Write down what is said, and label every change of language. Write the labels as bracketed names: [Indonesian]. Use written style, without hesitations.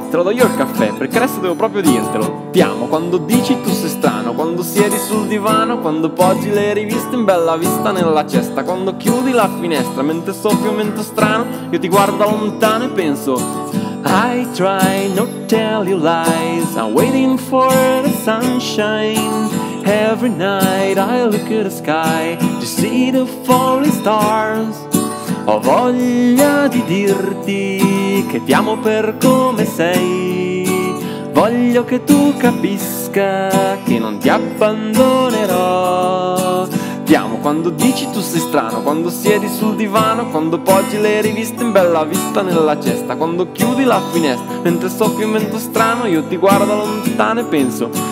[Italian] Te lo do io il caffè, perché adesso devo proprio dirtelo. Ti amo quando dici tu sei strano, quando siedi sul divano, quando poggi le riviste in bella vista nella cesta, quando chiudi la finestra mentre soffio un vento strano, io ti guardo lontano e penso [English] I try not to tell you lies, I'm waiting for the sunshine. Every night I look at the sky to see the falling stars. [Italian] Ho voglia di dirti che ti amo per come sei. Voglio che tu capisca che non ti abbandonerò. Ti amo quando dici tu sei strano, quando siedi sul divano, quando poggi le riviste in bella vista nella cesta, quando chiudi la finestra mentre soffio un vento strano, io ti guardo lontano e penso